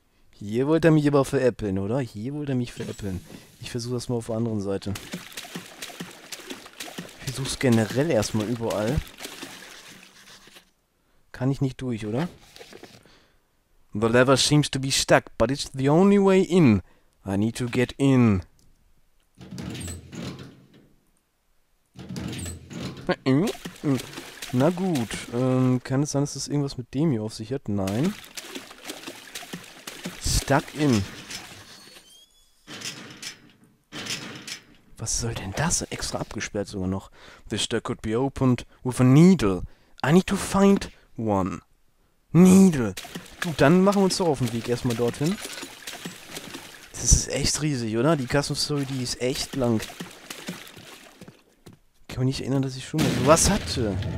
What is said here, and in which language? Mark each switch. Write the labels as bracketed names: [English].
[German] Hier wollte er mich aber veräppeln, oder? Hier wollte er mich veräppeln. Ich versuche das mal auf der anderen Seite. Ich versuch's generell erstmal überall. Kann ich nicht durch, oder? [English] The lever seems to be stuck, but it's the only way in. I need to get in. [German] Na gut, kann es sein, dass das irgendwas mit dem hier auf sich hat? Nein. [English] Stuck in. [German] Was soll denn das? Extra abgesperrt sogar noch. [English] This stuck could be opened with a needle. I need to find one. [German] Needle. Gut, dann machen wir uns doch auf den Weg erstmal dorthin. Das ist echt riesig, oder? Die Custom-Story, die ist echt lang. Ich kann mich nicht erinnern, dass ich schon mal sowas hatte.